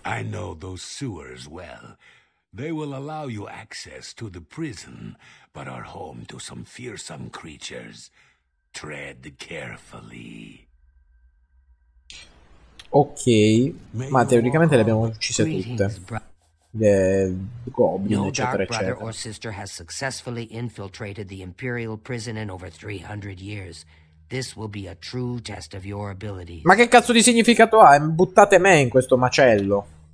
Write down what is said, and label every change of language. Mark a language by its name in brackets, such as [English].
[English] I know those sewers well. They will allow you access to the prison, but are home to some fearsome creatures. Tread carefully. [Italian] Ok, ma teoricamente le abbiamo uccise tutte. Le goblin, eccetera, eccetera. [English] Brother or sister has successfully infiltrated the Imperial prison in over 300 years. This will be a true test of your abilities. [Italian] Ma che cazzo di significato ha? Buttate me in questo macello.